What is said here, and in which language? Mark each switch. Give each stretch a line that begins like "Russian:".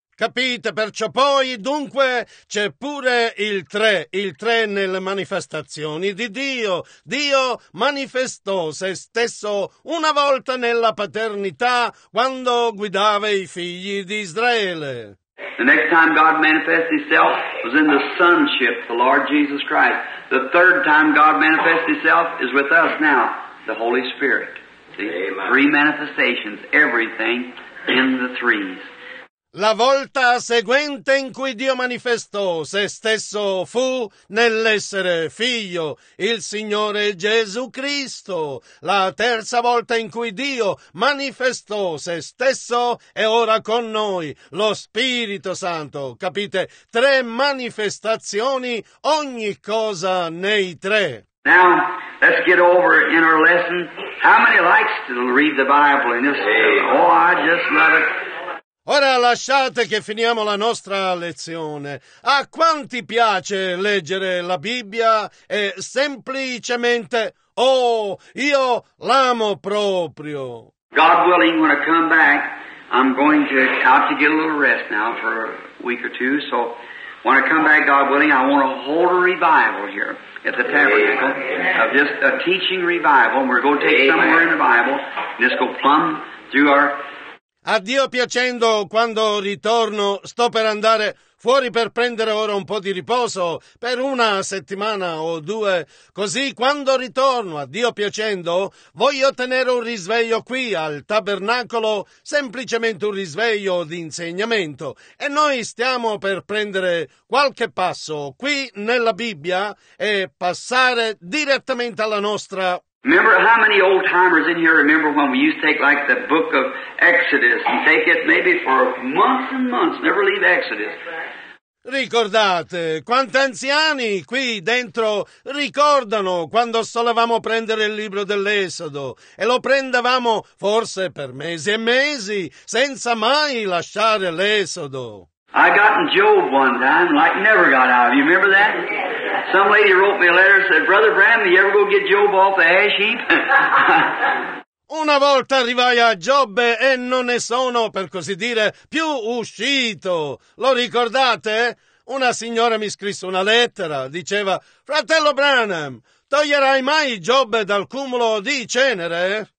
Italian: Capite, perciò poi, dunque, c'è pure il tre nelle manifestazioni di Dio. Dio manifestò se stesso una volta nella paternità quando guidava i figli di Israele.
English: The next time God manifested himself was in the sonship, the Lord Jesus Christ. The third time God manifested himself is with us now, the Holy Spirit. See? Three manifestations, everything in the threes.
Italian: La volta seguente in cui Dio manifestò se stesso fu nell'essere figlio, il Signore Gesù Cristo. La terza volta in cui Dio manifestò se stesso è ora con noi, lo Spirito Santo. Capite? Tre manifestazioni, ogni cosa nei tre.
English: Now, let's get over in our lesson. How many likes to read the Bible in this? Oh, I just love it.
Italian: Ora lasciate che finiamo la nostra lezione. A quanti piace leggere la Bibbia e semplicemente, oh, io l'amo proprio.
English: God willing, when I come back, I'm going to have to get a little rest now for a week or two. So when I come back, God willing, I want to hold a revival here at the tabernacle. Amen. Of just a teaching revival. And we're going to take somewhere in the Bible and just go plumb through our...
Italian: A Dio piacendo, quando ritorno, sto per andare fuori per prendere ora un po' di riposo per una settimana o due. Così, quando ritorno, a Dio piacendo, voglio tenere un risveglio qui al tabernacolo, semplicemente un risveglio di insegnamento. E noi stiamo per prendere qualche passo qui nella Bibbia e passare direttamente alla nostra.
English: Remember how many old timers in here remember when we used to take like the book of Exodus and take it maybe for months and months, never leave Exodus.
Italian: Ricordate, quanti anziani qui dentro ricordano quando solevamo prendere il libro dell'Esodo e lo prendevamo forse per mesi e mesi senza mai lasciare l'Esodo.
English: I got in Job one time, like never got out. You remember that? Some lady wrote me a letter and said, Brother Branham, you ever go get Job off the ash heap?
Italian: Una volta arrivai a Giobbe e non ne sono, per così dire, più uscito. Lo ricordate? Una signora mi scrisse una lettera, diceva, Fratello Branham, Toglierai mai Giobbe dal cumulo di cenere?